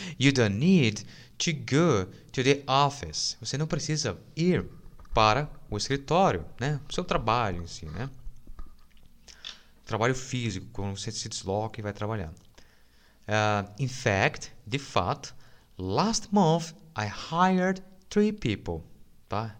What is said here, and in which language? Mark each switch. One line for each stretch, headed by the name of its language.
English: You don't need to go to the office.
Portuguese: Você não precisa ir para o escritório, né? O seu trabalho em si, né? Trabalho físico, quando você se desloca e vai trabalhar.
English: In fact,
Portuguese: de fato,
English: last month I hired 3 people, tá?